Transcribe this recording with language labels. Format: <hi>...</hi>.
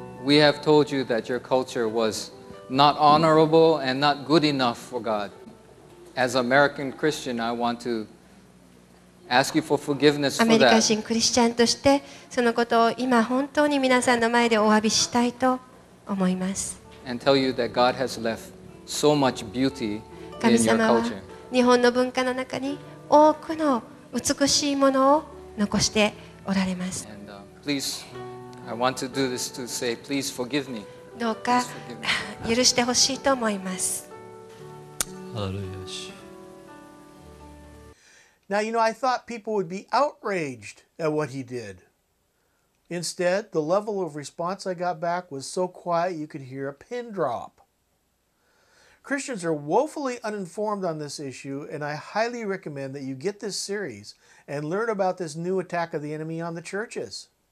<en>We have told you that your culture was not honorable and not good enough for God. As American Christian, I want to ask you for forgiveness for that.</en> <ja>アメリカ人クリスチャンとしてそのことを今本当に皆さんの前でお詫びしたいと思います。</ja> <en>And tell you that God has left so much beauty in your culture.</en> <ja>神様は日本の文化の中に多くの美しいものを残しておられます。</ja> <en>And please, I want to do this to say, please forgive me.</en> <ja>どうか許してほしいと思います。</ja> <en>Now, you know, I thought people would be outraged at what he did. Instead, the level of response I got back was so quiet you could hear a pin drop. Christians are woefully uninformed on this issue, and I highly recommend that you get this series and learn about this new attack of the enemy on the churches.</en>